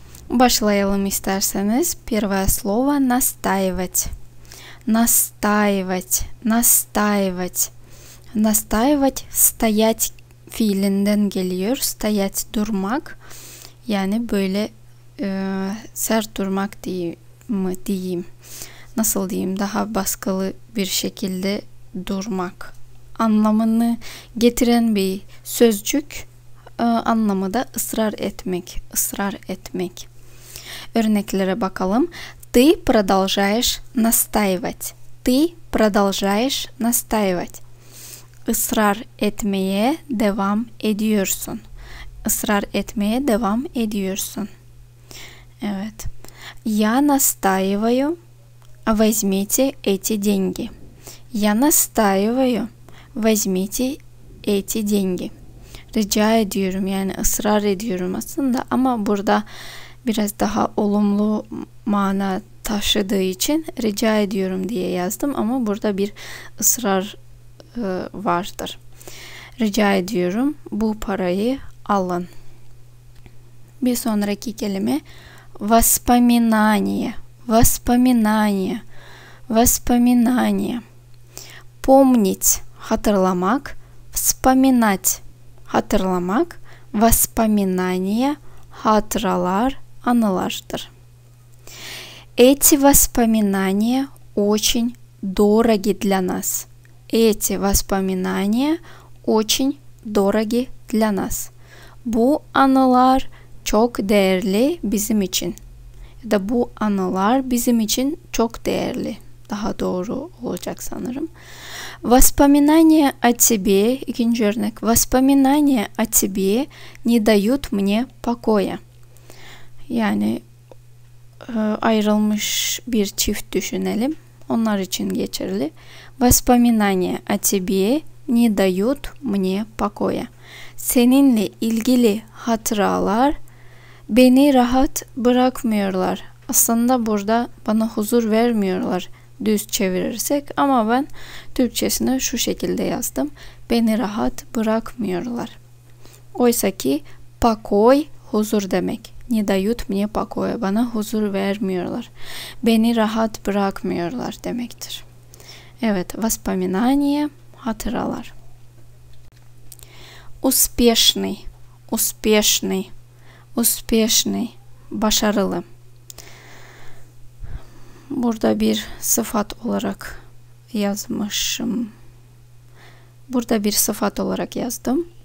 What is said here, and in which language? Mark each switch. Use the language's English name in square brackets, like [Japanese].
[Turkish] Başlayalım isterseniz. [Russian] Первое слово настаивать. Настаивать. Настаивать. Настаивать стоять [Turkish] fiilinden geliyor. [Russian] Стоять [Turkish] durmak. Yani böyle sert durmak diyeyim. Nasıl diyeyim? Daha baskılı bir şekilde durmak. Anlamını getiren bir sözcük. Anlamı da ısrar etmek. Israr etmek. Örneklere bakalım. [Russian] Ты продолжаешь настаивать. Ты продолжаешь настаивать. [Turkish] Israr etmeye devam ediyorsun. Israr etmeye devam ediyorsun. Evet. [Russian] Я настаиваю. Возьмите эти деньги. Я настаиваю. Возьмите эти деньги. [Turkish] Rica ediyorum. Yani ısrar ediyorum aslında. Ama burada biraz daha olumlu mana taşıdığı için rica ediyorum diye yazdım ama burada bir ısrar vardır. Rica ediyorum bu parayı alın. Bir sonraki kelime [Russian] воспоминание. Воспоминание. Воспоминание. Помнить, [Turkish] hatırlamak, [Russian] вспоминать, [Turkish] hatırlamak, [Russian] воспоминание, [Turkish] hatıralar. Аналаждар. [Russian] Эти воспоминания очень дороги для нас. Эти воспоминания очень дороги для нас. [Turkish] Bu anılar çok değerli bizim için. Да bu anılar bizim için çok değerli. Daha doğru olacak sanırım. [Russian] Воспоминания о тебе, [Turkish] ikinci örnek. [Russian] Воспоминания о тебе не дают мне покоя. [Turkish] Yani ayrılmış bir çift düşünelim. Onlar için geçerli. [Russian] Воспоминания о тебе не дают мне покоя. [Turkish] Seninle ilgili hatıralar beni rahat bırakmıyorlar. Aslında burada bana huzur vermiyorlar düz çevirirsek. Ama ben Türkçesini şu şekilde yazdım. Beni rahat bırakmıyorlar. Oysa ki покой huzur demek. [Russian] Не дают мне покоя, [Turkish] bana huzur vermiyorlar. Beni rahat bırakmıyorlar demektir. Evet, [Russian] воспоминания, [Turkish] hatıralar. [Russian] Успешный, успешный, успешный, [Turkish] başarılı. Burada bir sıfat olarak yazmışım. Burada bir sıfat olarak yazdım.